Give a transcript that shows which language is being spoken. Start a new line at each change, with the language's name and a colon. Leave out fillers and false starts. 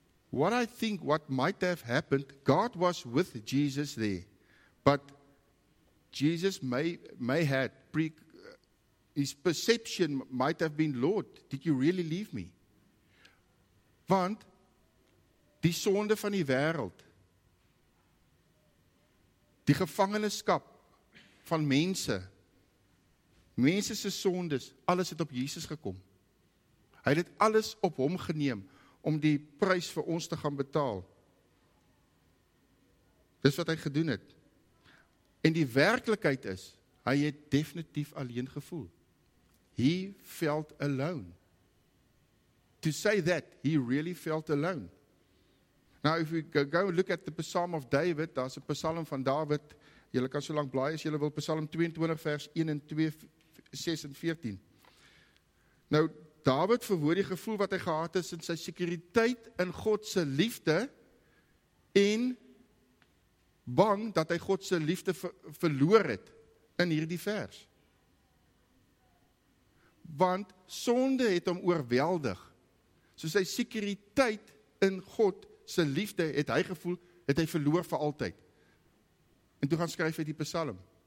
English: What I think, what might have happened, God was with Jesus there. But Jesus may had, his perception might have been, Lord, did you really leave me?
Afrikaans: Want, die sonde van die wêreld, die gevangenskap van mense, mense se sondes, alles het op Jesus gekom. Hy het alles op hom geneem, om die prys vir ons te gaan betaal. Dis wat hy gedoen het. En die werklikheid is, hy het definitief alleen gevoel.
English: He felt alone. To say that, he really felt alone. Now if we go look at the Psalm of David,
Afrikaans: daar's 'n Psalm van David, julle kan so lank blaai as julle wil, Psalm 22 vers 1 en 2, 6 en 14. Nou, David verwoord die gevoel wat hy gehad het in sy sekuriteit in God se liefde en bang dat hy God se liefde verloor het in hierdie vers. Want sonde het hom oorweldig. So sy sekuriteit in God se liefde het hy gevoel, het hy verloor vir altyd. En toe gaan skryf hy die Psalm.